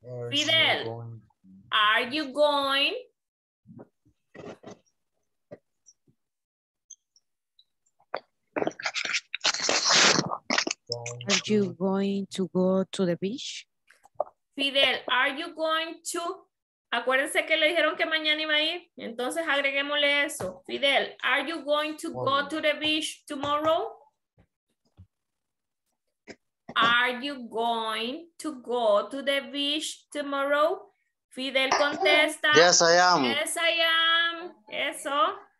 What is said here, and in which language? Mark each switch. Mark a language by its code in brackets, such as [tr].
[en] Fidel, are you going? Are you going to go to the beach? Fidel, are you going to? [es] Acuérdense que le dijeron que mañana iba a ir, entonces agreguémosle eso. [en] Fidel, are you going to go to the beach tomorrow? Are you going to go to the beach tomorrow? [es] Fidel contesta. [en] Yes, I am. Yes, I am. [es] Eso.